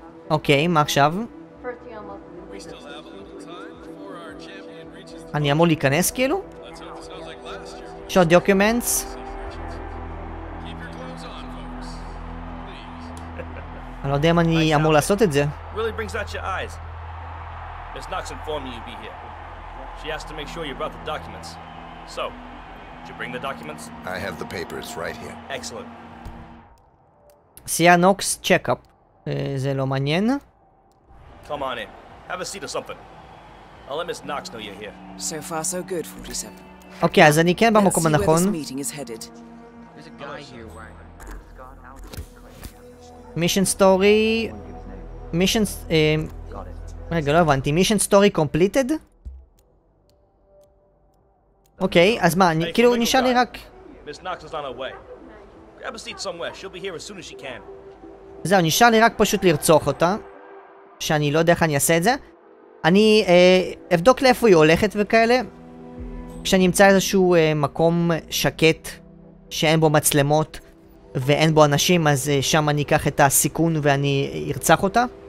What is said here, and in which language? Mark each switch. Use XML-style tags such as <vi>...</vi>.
<he>אוקיי, מה עכשיו? אני אמור להיכנס כאילו? יש עוד דוקימנטס? אני לא יודע אם אני אמור לעשות את זה.</he> <en>Really brings out your eyes. Miss Knox informed me you'd be here. She asked to make sure you brought the documents. So, did you bring the documents? I have the papers right here. Excellent. Sia Knox check-up.</en> <he>זה לא מעניין.</he> <en>Come on in. Have a seat or something. I'll let Miss Knox know you're here. So far so good, 47.</en> <he>אוקיי, אז אני כן במקום הנכון.</he> <en>Meeting is headed. There's a guy here wearing... Mission story... Mission...</en> <he>רגע, לא הבנתי.</he> <en>Mission story completed?</en> <he>אוקיי, אז מה, כאילו נשאר לי רק...</he> <en>Miss Knox is on her way. Grab a seat somewhere, she'll be here as soon as she can.</en> <he>זהו, נשאר לי רק פשוט לרצוח אותה. שאני לא יודע איך אני אעשה את זה. אני אבדוק לאיפה היא הולכת וכאלה. כשאני אמצא איזשהו מקום שקט, שאין בו מצלמות. ואין בו אנשים, אז שם אני אקח את הסיכון ואני ארצח אותה.</he>